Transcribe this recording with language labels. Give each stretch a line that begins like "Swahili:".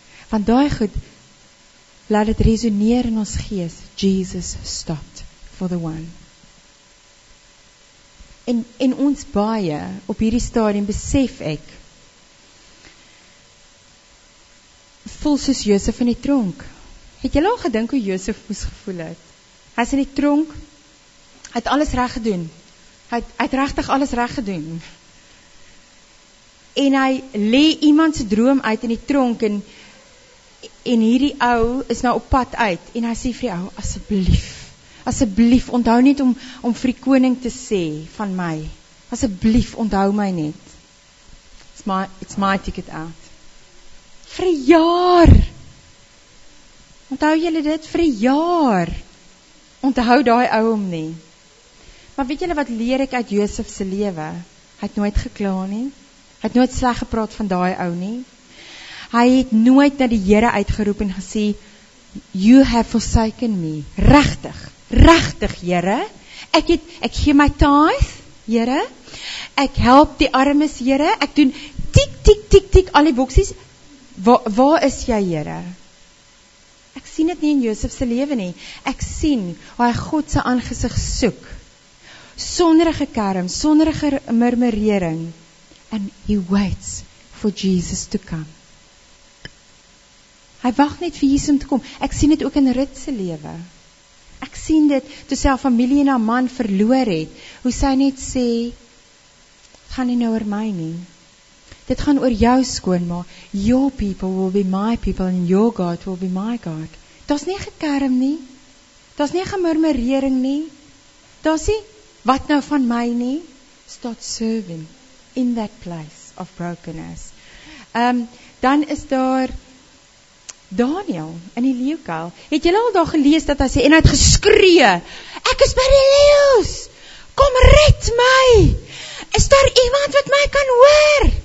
Afrikaans: Want daai goed laat dit resoneer in ons gees.
English: Jesus stopped for the one.
Afrikaans: En ons baie op hierdie stadium besef ek voel soos Josef in die tronk. Het jy al gedink hoe Josef moes gevoel het? Hy's in die tronk. Hy het alles reg gedoen. Hy het regtig alles reg gedoen. En hy lê iemand se droom uit in die tronk en hierdie ou is nou op pad uit en hy sê vir die ou asseblief. Asseblief onthou net om vir die koning te sê van my. Asseblief onthou my net.
English: It's my ticket out.
Afrikaans: Vir 'n jaar. Onthou julle dit vir 'n jaar. Onthou daai ou hom nie. Maar weet julle wat leer ek uit Josef se lewe? Hy het nooit gekla nie. Hy het nooit sleg gepraat van daai ou nie. Hy het nooit na die Here uitgeroep en gesê
English: you have forsaken me.
Afrikaans: Regtig. Regtig, Here. Ek gee my tithe, Here. Ek help die armes, Here. Ek doen tik tik tik tik al die boksies. Waar is jy, Here? Ek sien dit nie in Josef se lewe nie. Ek sien hoe hy God se aangesig soek. Sonder gekerm, sonder murmurering.
English: And he waits for Jesus to come.
Afrikaans: Hy wag net vir Jesus om te kom. Ek sien dit ook in Rut se lewe. Ek sien dit, toe sy haar familie en haar man verloor het, hoe sy net sê, gaan nie nou oor my nie. Dit gaan oor jou skoonma.
English: Your people will be my people and your God will be my God.
Afrikaans: Da's nie gekerm nie. Da's nie gemurmurering nie. Da's nie, wat nou van my nie.
English: Start serving in that place of brokenness.
Afrikaans: Dan is daar Daniel in die leeukuil. Het jy al daar gelees dat hy sê en hy het geskree. Ek is by die leeu's. Kom red my. Is daar iemand wat my kan hoor?